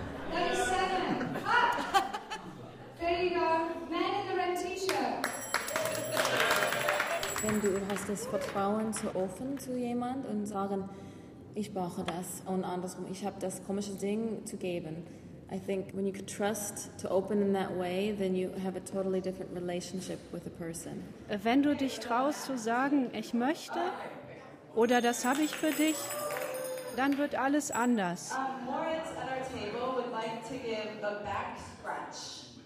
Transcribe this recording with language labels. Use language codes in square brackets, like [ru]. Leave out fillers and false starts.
[en] 37. Up! There you go. Man in the red t-shirt. [de] Wenn du hast das Vertrauen zu offen zu jemand und sagen, ich brauche das und andersrum, ich habe das komische Ding zu geben. [en] I think when you can trust to open in that way, then you have a totally different relationship with a person. [de] Wenn du dich traust zu sagen, ich möchte oder das habe ich für dich, dann wird alles anders. [en] Moritz at our table would like to give the back scratch.